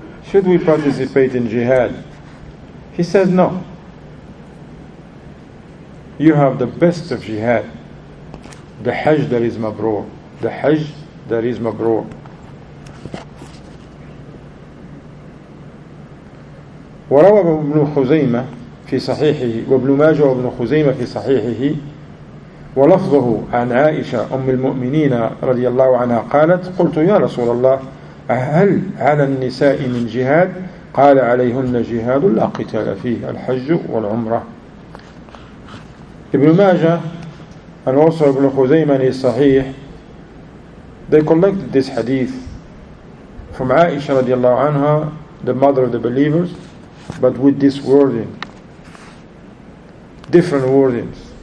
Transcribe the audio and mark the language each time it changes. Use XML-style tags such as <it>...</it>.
<en>Should we participate in jihad? He says, no. You have the best of jihad, the hajj that is mabrur, the hajj that is mabrur.</en> <ar>وروى ابن خزيمة في صحيحه وابن ماجه وابن خزيمة في صحيحه ولفظه عن عائشة أم المؤمنين رضي الله عنها قالت قلت يا رسول الله هل على النساء من جهاد قال عليهن جهاد لا قتال فيه الحج والعمرة.</ar> <en>ابن ماجه and also ابن خزيمة</en> <ar>في الصحيح</ar> <en>they collected this hadith from عائشة رضي الله عنها the mother of the believers but with this wording, different wordings.</en>